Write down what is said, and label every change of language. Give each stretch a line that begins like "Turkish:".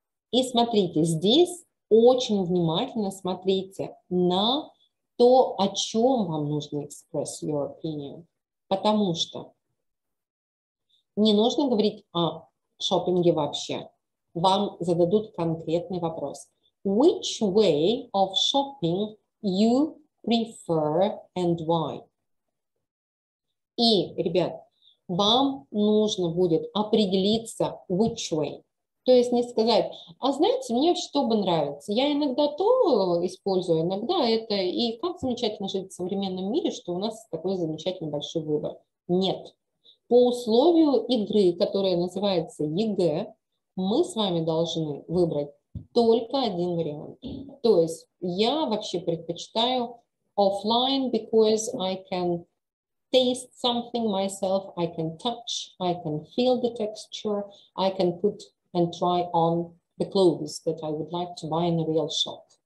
Russian: И смотрите, здесь очень внимательно смотрите на то, о чем вам нужно
English: express your opinion.
Russian: Потому что не нужно говорить о шопинге вообще. Вам зададут конкретный вопрос.
English: Which way of shopping you prefer and why?
Russian: И, ребят, вам нужно будет определиться,
English: which way.
Russian: То есть не сказать, а знаете, мне что бы нравится. Я иногда то использую, иногда это. И как замечательно жить в современном мире, что у нас такой замечательный большой выбор. Нет. По условию игры, которая называется ЕГЭ, мы с вами должны выбрать только один вариант. То есть я вообще предпочитаю
English: offline, because I can taste something myself, I can touch, I can feel the texture, I can put and try on the clothes that I would like to buy in a real shop.